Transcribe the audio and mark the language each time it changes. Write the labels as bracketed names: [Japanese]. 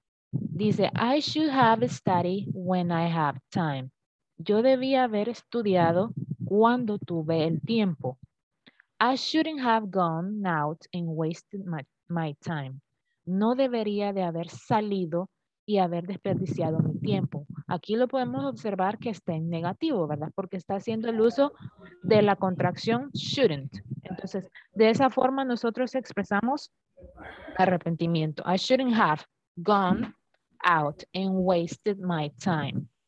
[Spanish] Dice, [English] I should have studied when I have time. [Spanish] Yo debía haber estudiado cuando tuve el tiempo. [English] I shouldn't have gone out and wasted my time. [Spanish] No debería de haber salido y haber desperdiciado mi tiempo. Aquí lo podemos observar que está en negativo, ¿verdad? Porque está haciendo el uso de la contracción shouldn't. Entonces, de esa forma nosotros expresamos arrepentimiento. [English] I shouldn't have gone out and wasted my time.